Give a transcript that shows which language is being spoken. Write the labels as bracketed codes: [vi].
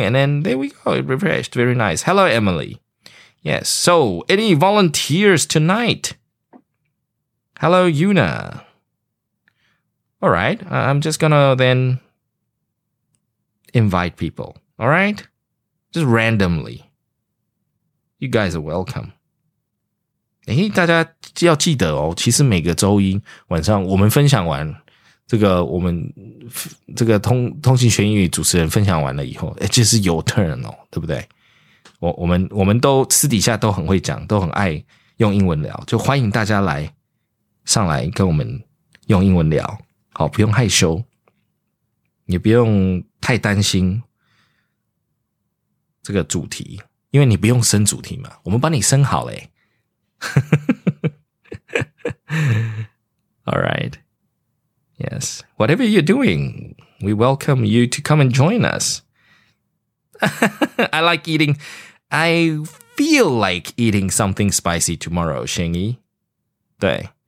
[en] And then there we go. It refreshed. Very nice. Hello, Emily. Yes. So, any volunteers tonight? Hello, Yuna. All right, I'm just gonna then invite people, all right? Just randomly. You guys are welcome. [zh] 欸，大家要记得哦，其实每个周一晚上我们分享完这个我们这个通信学英语主持人分享完了以后，欸，就是 [en] your turn [zh] 哦，对不对？我们都私底下都很会讲，都很爱用英文聊，就欢迎大家来上来跟我们用英文聊。好，不用害羞，也不用太担心这个主题，因为你不用生主题嘛，我们帮你生好嘞。 [en] All right, yes, whatever you're doing, we welcome you to come and join us. I like eating. I feel like eating something spicy tomorrow, Xingyi. 对。